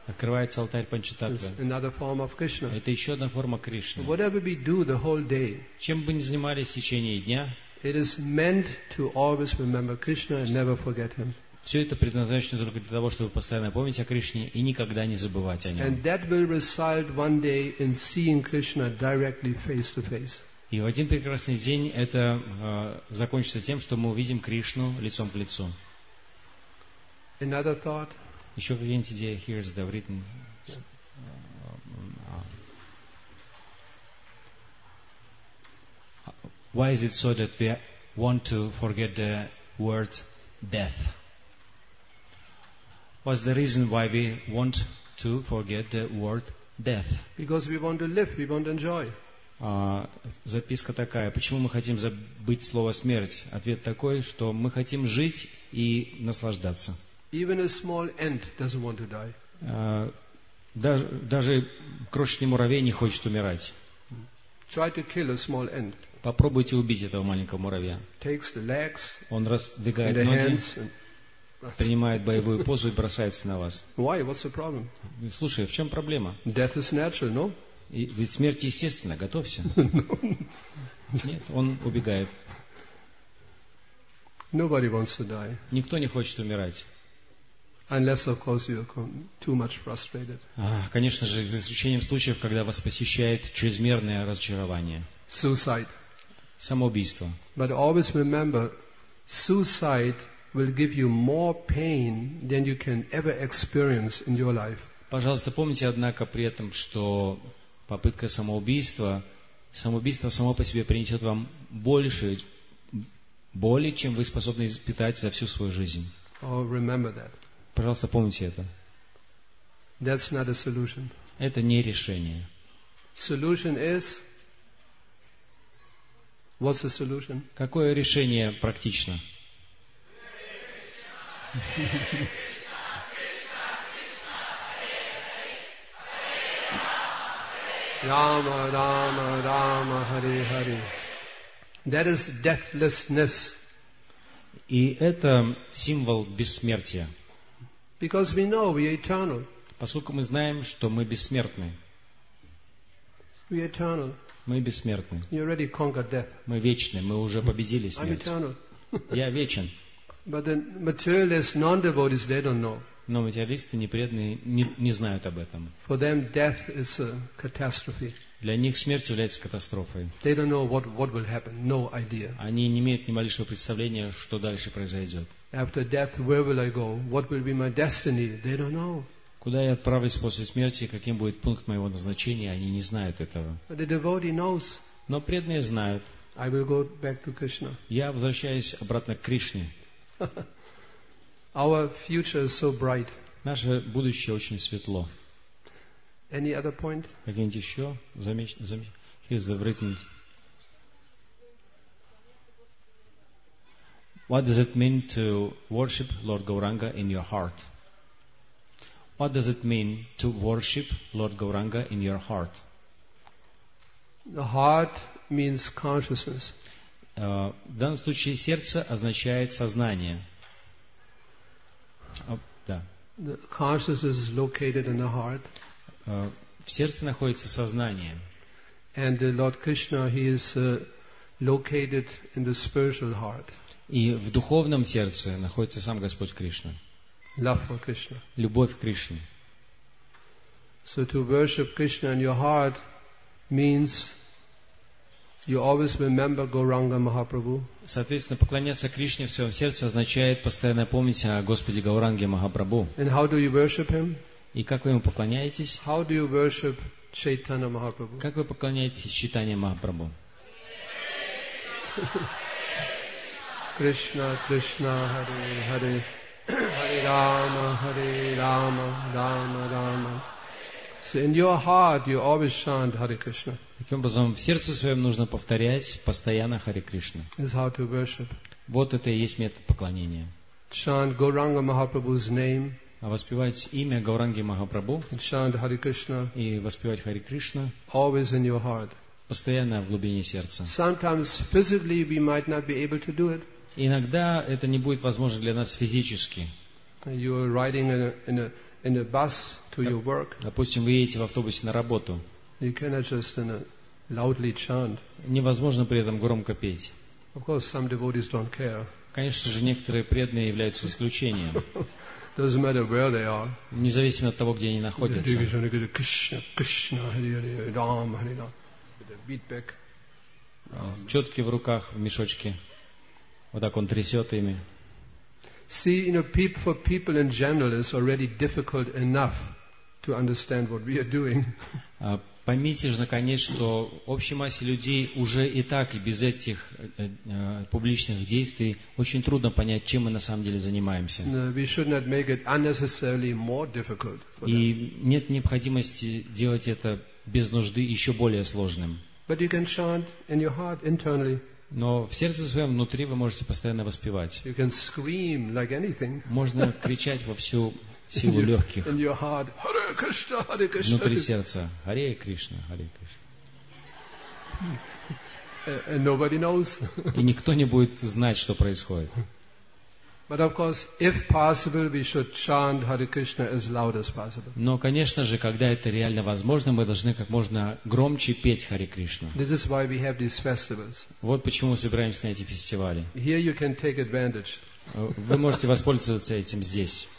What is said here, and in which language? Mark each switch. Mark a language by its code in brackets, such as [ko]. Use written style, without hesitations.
[ru] Открывается алтарь Панчататва. [en] This is another form of Krishna. [ru] Это еще одна форма Кришны. [en] Whatever we do the whole day. [ru] Чем бы ни занимались в течение дня. [en] It is meant to always remember Krishna and never forget him. [ru] Все это предназначено только для того, чтобы постоянно помнить о Кришне и никогда не забывать о нем. [en] And that will result one day in seeing Krishna directly face to face. [ru] И в один прекрасный день это закончится тем, что мы увидим Кришну лицом к лицу. [en] Another thought. [ru] Еще какие-нибудь идеи? [en] Here's the written. Why is it so that we want to forget the word death? What's the reason why we want to forget the word death? Because we want to live, we want to enjoy. [ru] Записка такая. Почему мы хотим забыть слово смерть? Ответ такой, что мы хотим жить и наслаждаться. [en] Even a small ant doesn't want to die. [ru] Даже крошечный муравей не хочет умирать. [en] Try to kill a small ant. [ru] Попробуйте убить этого маленького муравья. [en] Legs, [ru] он раздвигает ноги, [en] hands, and... [ru] принимает боевую позу и бросается на вас. [en] Why? What's the problem? [ru] Слушай, в чем проблема? [en] Death is natural, no? [ru] И, ведь смерть естественна, готовься. [en] No. [ru] Нет, он убегает. [en] Nobody wants to die. [ru] Никто не хочет умирать. [en] Unless, of course, you are too much frustrated. [ru] Конечно же, за исключением случаев, когда вас посещает чрезмерное разочарование. [en] Suicide. [ru] Самоубийство. [en] But always remember, suicide will give you more pain than you can ever experience in your life. [ru] Пожалуйста, помните, однако, при этом, что попытка самоубийства, самоубийство само по себе принесет вам больше боли, чем вы способны испытать за всю свою жизнь. [en] Oh, remember that. [ru] Пожалуйста, помните это. [en] That's not a solution. [ru] Это не решение. [en] Solution is... What's the solution? [ru] Какое решение практично? [sa] Рама, Рама, Рама, Хари, Хари. [en] That is deathlessness. [ru] И это символ бессмертия. [en] Because we know we are eternal. [ru] Поскольку мы знаем, что мы бессмертны. [en] We are eternal. [ru] Мы бессмертны. [en] You already conquered death. [ru] Мы вечны, мы уже победили смерть. [en] I'm eternal. [ru] Я вечен. [en] But the materialist non-devotees, they don't know. [ru] Но материалисты непреданные не знают об этом. [en] For them, death is a catastrophe. [ru] Для них смерть является катастрофой. [en] They don't know what will happen. No idea. [ru] Они не имеют ни малейшего представления, что дальше произойдет. [en] After death, where will I go? What will be my destiny? They don't know. [ru] Куда я отправлюсь после смерти? Каким будет пункт моего назначения? Они не знают этого. [en] But the devotee knows. [ru] Но преданные знают. [en] I will go back to Krishna. [ru] Я возвращаюсь обратно к Кришне. [en] Our future is so bright. [ru] Наше будущее очень светло. [en] Any other point? [ru] Какие-нибудь еще замечания? [en] Here's the written. What does it mean to worship Lord Gauranga in your heart? What does it mean to worship Lord Gauranga in your heart? The heart means consciousness. [ru] В данном случае сердце означает сознание. Да. [en] The consciousness is located in the heart. [ru] В сердце находится сознание. [en] And Lord Krishna, he is located in the spiritual heart. [ru] И в духовном сердце находится сам Господь Кришна. [en] Love for Krishna. [ru] Любовь к Кришне. [en] So to worship Krishna in your heart means you always remember Gauranga Mahaprabhu. [ru] Соответственно, поклоняться Кришне в своем сердце означает постоянно помнить о Господе Гауранге Махапрабху. [en] And how do you worship him? [ru] И как вы ему поклоняетесь? [en] How do you worship Chaitanya Mahaprabhu? [ru] Как вы поклоняетесь Чайтанья Махапрабху? [sa] Krishna, Krishna, Hare, Hare, Hare Rama, Hare Rama, Rama, Rama. [en] So in your heart you always chant Hare Krishna. [ru] Таким образом, в сердце своем нужно повторять постоянно Hare Krishna. [en] This is how to worship. [ru] Вот это и есть метод поклонения. [en] Chant Gauranga Mahaprabhu's name. [ru] А воспевать имя Гауранги Махапрабху [en] and chant Hare Krishna. [ru] И воспевать Hare Krishna. [en] Always in your heart. [ru] Постоянно в глубине сердца. [en] Sometimes physically we might not be able to do it. [ru] Иногда это не будет возможно для нас физически. [en] You are riding in a bus to your work. [ru] Допустим, вы едете в автобусе на работу. [en] You cannot just loudly chant. [ru] Невозможно при этом громко петь. [en] Of course, some devotees don't care. [ru] Конечно же, некоторые преданные являются исключением. [en] Doesn't matter where they are. [ru] Независимо от того, где они находятся. [sa] Кришна, Кришна, Хари Хари, Рам Хари Рам. Битбек. [ru] Четки в руках, в мешочке. Вот так он трясет ими. [en] See, you know, for people in general, it's already difficult enough to understand what we are doing. [ru] Поймите же, наконец, что общей массе людей уже и так, и без этих публичных действий, очень трудно понять, чем мы на самом деле занимаемся. [en] We should not make it unnecessarily more difficult for them. [ru] И нет необходимости делать это без нужды еще более сложным. [en] But you can chant in your heart internally. [ru] Но в сердце своем внутри вы можете постоянно воспевать. [en] You can scream like anything. [ru] Можно кричать во всю силу легких. [en] In your heart, Hare Krishna, Hare Krishna. [ru] Внутри сердца, Hare Krishna, Hare Krishna. [en] And nobody knows. [ru] И никто не будет знать, что происходит. [en] But of course, if possible, we should chant Hare Krishna as loud as possible. [ru] Но, конечно же, когда это реально возможно, мы должны как можно громче петь Hare Krishna. [en] This is why we have these festivals. [ru] Вот почему мы собираемся на эти фестивали. [en] Here you can take advantage. [ru] Вы можете воспользоваться этим здесь.